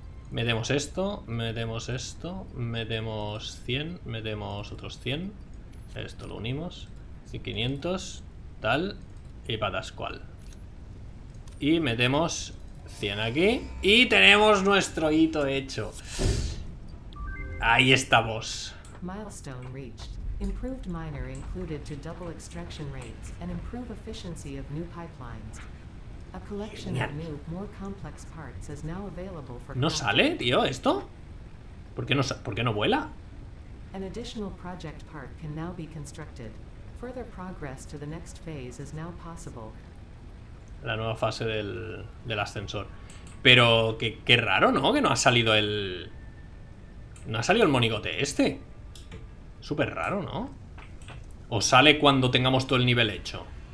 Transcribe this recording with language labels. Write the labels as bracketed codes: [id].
[es] Metemos esto, metemos esto. Metemos 100, metemos otros 100. Esto lo unimos. 500, tal. Y patascual. Y metemos 100 aquí. Y tenemos nuestro hito hecho. Ahí estamos. [en] Milestone reached. Improved miner included to double extraction rates and improve efficiency of new pipelines. A collection of new, more complex parts is now available for. [es] ¿No sale, tío, esto? ¿Por qué no vuela? [en] An additional project part can now be constructed. Further progress to the next phase is now possible. [es] La nueva fase del ascensor. Pero qué raro, ¿no? Que no ha salido el. No ha salido el monigote este. Súper raro, ¿no? ¿O sale cuando tengamos todo el nivel hecho?